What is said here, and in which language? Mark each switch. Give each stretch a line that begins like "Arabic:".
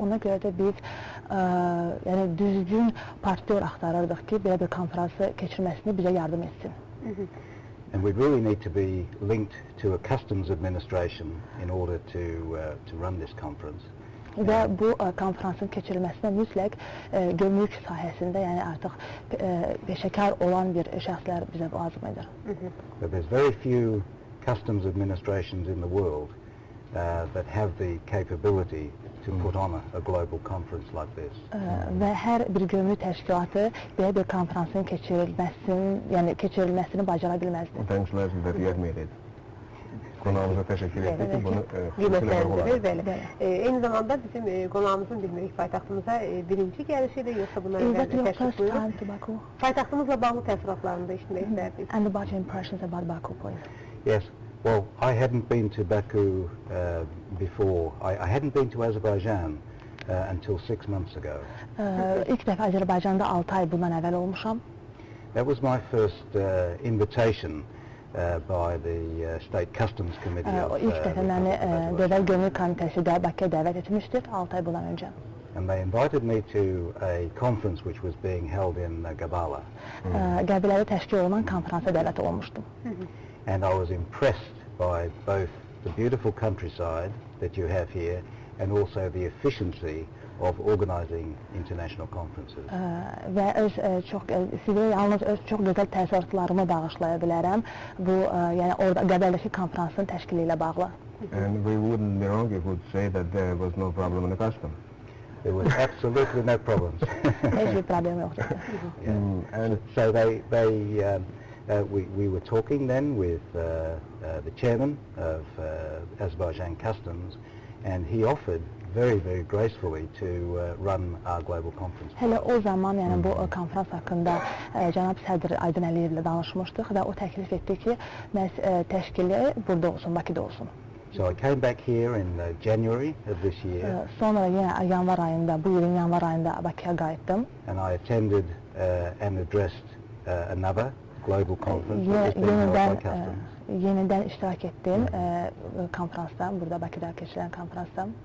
Azerbaijani: Ona görə də biz yəni düzgün partner axtarırdıq ki, belə bir konferansı keçirməsini bizə yardım etsin.
English: And we really need to be linked to a customs administration in order to run this conference.
Azerbaijani: Və bu konferansın keçirilməsində mütləq gömrük sahəsində, yəni artıq peşəkar olan bir şəxslər bizə lazım edir.
English: But there's very few customs administrations in the world that have the capability to put on a global conference like this.
Azerbaijani: Və hər bir gömrük təşkilatı belə bir konferansın keçirilməsini bacara bilməzdi.
English: Thanks, Leslie, that you admitted.
Azerbaijani: Qonağımıza təşəkkür etdik ki, bunu qiymətləndirir. Eyni zamanda bizim qonağımızın bilmirik paytaxtımıza birinci gəlişidir, yoxsa buna əvvəl təşəkkür. Paytaxtımızla bağlı təəssüratlarını da işitmək istərdik.
English: And about your impressions about Baku, please. Yes, well, I hadn't been to Baku before. I hadn't been to Azerbaijan until 6 months ago.
Azerbaijani: İlk dəfə Azərbaycanda 6 ay bundan əvvəl olmuşam.
English: That was my first invitation by the State Customs Committee of
Azerbaijani: Dövlət Gömrük Komitəsi də Bakıya dəvət etmişdir 6 ay bundan öncə.
English: And they invited me to a conference which was being held in Gabala.
Azerbaijani: Qəbilədə təşkil olunan konfransa dəvət olmuşdum.
English: And I was impressed by both the beautiful countryside that you have here and also the efficiency of organizing international conferences.
Azerbaijani: Və öz çox sizə yalnız öz çox gözəl təəssüratlarımı bağışlaya bilərəm. Bu yəni orada Qəbələdəki konfransın təşkili ilə bağlı.
English: And we wouldn't be wrong if we'd say that there was no problem in the customs. There was absolutely no problems.
Azerbaijani: Heç bir problem yoxdur.
English: And so we were talking then with the chairman of Azerbaijan Customs, and he offered very, very gracefully to run our global conference.
Azerbaijani: Hələ o zaman, yəni bu konferans haqqında cənab sədr Aydın Əliyev ilə danışmışdıq və o təklif etdi ki, məhz təşkili burada olsun, Bakıda olsun.
English: So I came back here in January of this year.
Azerbaijani: Sonra yenə yanvar ayında, bu ilin yanvar ayında Bakıya qayıtdım.
English: And I attended and addressed another global conference.
Azerbaijani: Yenidən iştirak etdim konferansda, burada Bakıda keçirilən konferansda.